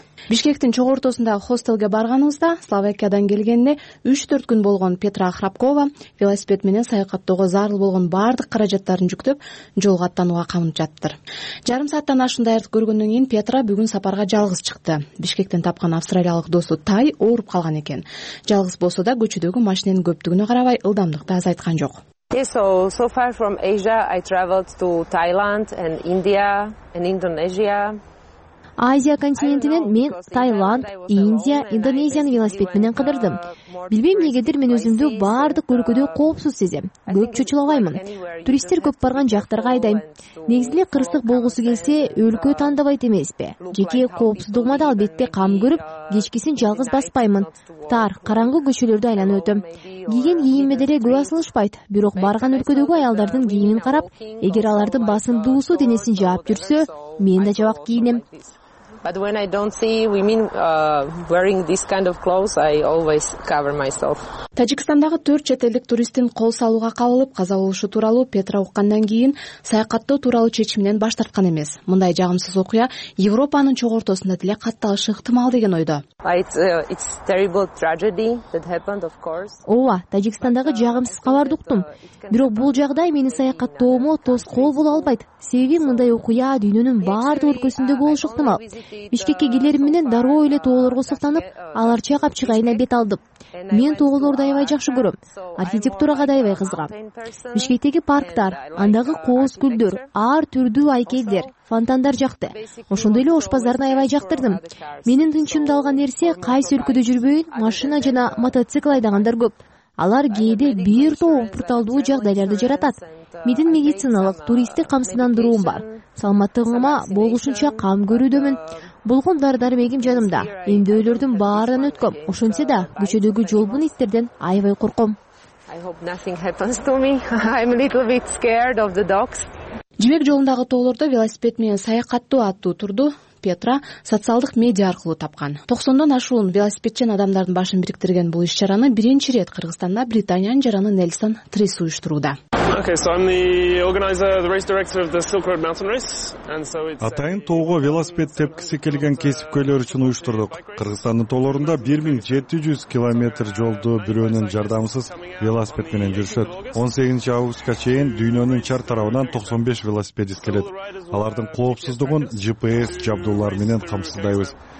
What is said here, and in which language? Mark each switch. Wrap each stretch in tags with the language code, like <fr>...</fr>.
<ky>Бишкектин чоң ортосундагы хостелге барганыбызда Словакиядан келгенине 3-4 күн болгон Петра Храпкова велосипед менен саякаттоого зарыл болгон баардык каражаттарын жүктөп, жолго аттанууга камынып жатыптыр. Жарым сааттан ашуун даярдык көргөндөн кийин Петра бүгүн сапарга жалгыз чыкты. Бишкектен тапкан австралиялык досу Тай ооруп калган экен. Жалгыз болсо да көчөдөгү машиненин көптүгүнө карабай ылдамдыкты азайткан жок.</ky> <en>Yes, so far from Asia I traveled to Thailand and India and Indonesia.</en> <ky>Азия континентинен мен Тайланд, Индия, Индонезияны велосипед менен кыдырдым. Билбейм негедир мен өзүмдү баардык өлкөдө коопсуз сезем. Көп чочулабаймын. Туристтер көп барган жактарга айдайм. Негизинде кырсык болгусу келсе, өлкө тандабайт эмеспи? Жеке коопсуздугума да албетте кам көрүп, кечкисин жалгыз баспаймын. Тар, караңгы көчөлөрдү айланып өтөм. Кийген кийимиме деле көп асылышпайт, бирок барган өлкөдөгү аялдардын кийимин карап, эгер алардын басын дуусу денесин жаап жүрсө, мен да жабак кийинем.</ky> <en>But when I don't see women wearing this kind of clothes, I always cover myself.</en> <ky>Тажикстандагы 4 чет элдик туристтин кол салууга кабылып, каза болушу тууралуу Петра уккандан кийин саякаттоо тууралуу чечиминен баш тарткан эмес. Мындай жагымсыз окуя Европанын чоң ортосунда деле катталышы ыктымал деген ойдо.</ky> <en>It's terrible tragedy that happened, of course.</en> <ky>Ооба, Тажикстандагы жагымсыз кабарды уктум. Бирок бул жагдай менин саякаттоомо тоскоол боло албайт. Себеби мындай окуя дүйнөнүн баардык өлкөсүндө болушу ыктымал. Бишкекке келерим менен дароо эле тоолорго суктанып, алар чайкап чыгайына бет алдым. Мен тоолорду аябай жакшы көрөм. Архитектурага да аябай кызыгам. Бишкектеги парктар, андагы кооз күлдөр, ар түрдүү айкелдер, фонтандар жакты. Ошондой эле ошпоздорду аябай жактырдым. Менин тынчымды алган нерсе кайсы өлкөдө жүрбөйүн машина жана мотоцикл айдагандар көп. Алар кээде бир топ порталдуу жагдайларды жаратат. Мидин медициналык туристтик камсыздандыруум бар. Саламаттыгыма болушунча кам көрүүдөмүн. Болгон дары-дармегим жанымда. Эмдөөлөрдүн баарын өткөм. Ошентсе да көчөдөгү жолбун иттерден аябай корком.</ky> <en>I hope nothing happens to me. I'm a little bit scared of the dogs.</en> <ky>Жибек жолундагы тоолордо велосипед менен саякаттоо аттуу турду Петра социалдык медиа аркылуу тапкан. 90 ашуун велосипедчен адамдардын башын бириктирген бул иш-чараны биринчи ирет Кыргызстанда Британиянын жараны Нельсон Трис уюштурууда.</ky> <en>Okay, so I'm the organizer, the race director of the Silk Road Mountain Race, and so it's.</en> <ky>Атайын тоого велосипед тепкиси келген кесипкөйлөр үчүн уюштурдук. Кыргызстандын тоолорунда 1700 километр жолду бирөөнүн жардамысыз велосипед менен жүрүшөт. 18 августка чейин дүйнөнүн чар тарабынан 95 велосипедист келет. Алардын коопсуздугун GPS жабдуулар менен камсыздайбыз.</ky>